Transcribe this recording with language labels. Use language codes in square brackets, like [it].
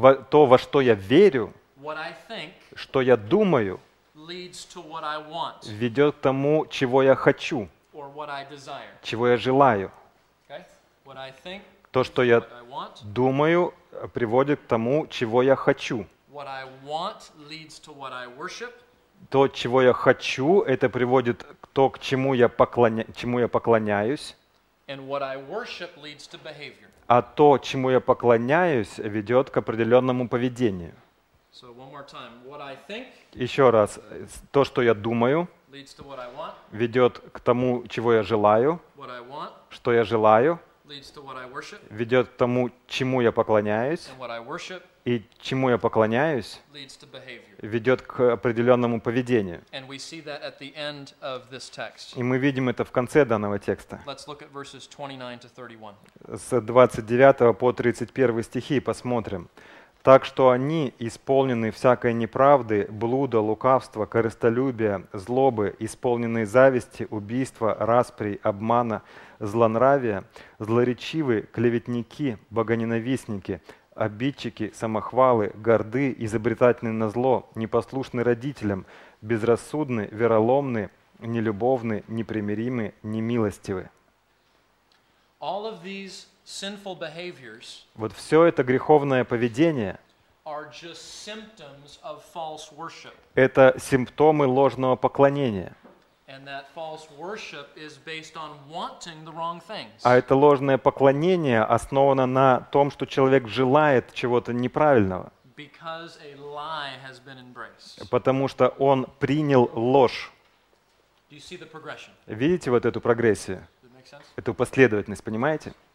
[ru] то, во что я верю, [en] what I think, [ru] что я думаю, [en] leads to what I want. [ru] Ведет к тому, чего я хочу. [en] Or what I desire. [ru] Чего я желаю. [en] Okay? What I think. [ru] То, что я думаю, приводит к тому, чего я хочу. [en] What I want leads to what I worship. [ru] То, чего я хочу, это приводит к то, к чему я поклоняюсь. [en] And what I worship leads to behavior. [ru] А то, чему я поклоняюсь, ведет к определенному поведению. [en] So one more time. What I think [ru] еще раз, то, что я думаю, [en] leads to what I want. [ru] Ведет к тому, чего я желаю, [en] what I want. [ru] Что я желаю, [en] leads to what I worship. [ru] Ведет к тому, чему я поклоняюсь, [en] and what I worship. [ru] И чему я поклоняюсь, [en] leads to behavior. [ru] Ведет к определенному поведению. [en] And we see that at the end of this text. [ru] И мы видим это в конце данного текста. [en] Let's look at verses 29 to 31. [ru] С 29 по 31 стихи посмотрим. «Так что они, исполнены всякой неправды, блуда, лукавства, корыстолюбия, злобы, исполненные зависти, убийства, распри, обмана, злонравия, злоречивы, клеветники, богоненавистники, обидчики, самохвалы, горды, изобретательны на зло, непослушны родителям, безрассудны, вероломны, нелюбовны, непримиримы, немилостивы». [en] All of these sinful behaviors, [ru] вот все это греховное поведение, [en] are just symptoms of false worship. [ru] Это симптомы ложного поклонения. [en] And that false worship is based on wanting the wrong things. [ru] А это ложное поклонение основано на том, что человек желает чего-то неправильного. [en] Because a lie has been embraced. [ru] Потому что он принял ложь. [en] Do you see the progression? [ru] Видите вот эту прогрессию? [en] Does it make sense? [ru] Эту последовательность, понимаете?